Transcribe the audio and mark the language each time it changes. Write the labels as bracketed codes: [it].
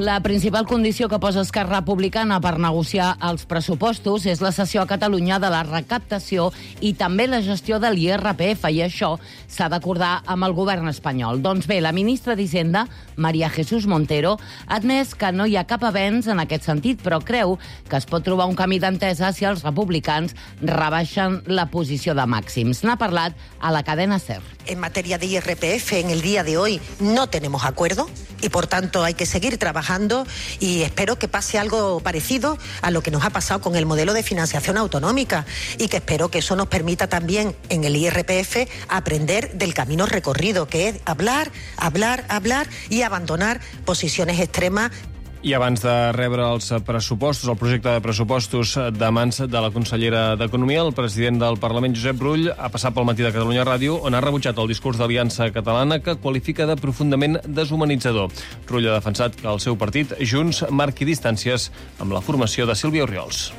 [ca] La principal condició que posa Esquerra Republicana per negociar els pressupostos és la cessió a Catalunya de la recaptació i també la gestió de l'IRPF, i això s'ha d'acordar amb el govern espanyol. Doncs bé, la ministra d'Hisenda, María Jesús Montero, ha admès que no hi ha cap avenç en aquest sentit, però creu que es pot trobar un camí d'entesa si els republicans rebaixen la posició de màxims. N'ha parlat a la cadena SER. [es] En matèria de IRPF, en el dia de hoy no tenemos acuerdo y por tanto hay que seguir trabajando y espero que pase algo parecido a lo que nos ha pasado con el modelo de financiación autonómica y que espero que eso nos permita también en el IRPF aprender del camino recorrido, que es hablar, hablar, hablar y abandonar posiciones extremas. [ca] I abans de rebre els pressupostos, el projecte de pressupostos de mans de la consellera d'Economia, el president del Parlament, Josep Rull, ha passat pel matí de Catalunya Ràdio, on ha rebutjat el discurs d'Aliança Catalana, que qualifica de profundament deshumanitzador. Rull ha defensat que el seu partit, Junts, marqui distàncies amb la formació de Sílvia Oriols.